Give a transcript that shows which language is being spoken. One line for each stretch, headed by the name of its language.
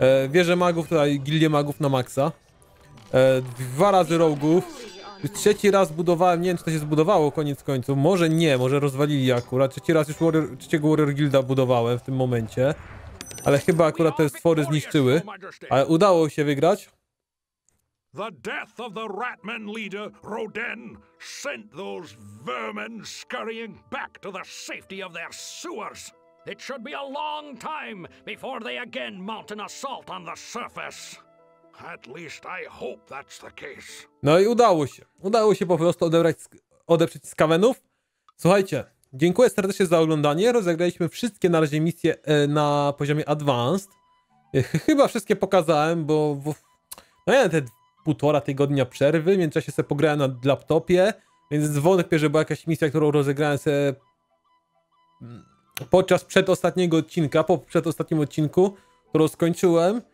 Polish: Wieże magów, tutaj gildie magów na maksa. Dwa razy rogów. Trzeci raz budowałem, nie wiem czy to się zbudowało koniec końców, może nie, może rozwalili akurat. Trzeci raz już warrior, trzeciego Warrior Guilda budowałem w tym momencie. Ale chyba akurat te stwory zniszczyły. Ale udało się wygrać.
English: The death of the Ratman leader, Roden, sent those vermin scurrying back to the safety of their sewers. It should be a long time before they again mount an assault on the surface. At least I hope that's the case.
Polish: No i udało się. Udało się po prostu odeprzeć skawenów. Słuchajcie, dziękuję serdecznie za oglądanie. Rozegraliśmy wszystkie na razie misje na poziomie Advanced. Chyba wszystkie pokazałem, bo... no ja te półtora tygodnia przerwy, w międzyczasie sobie pograłem na laptopie, więc wątpię, że była jakaś misja, którą rozegrałem sobie podczas przedostatniego odcinka, po przedostatnim odcinku, którą skończyłem.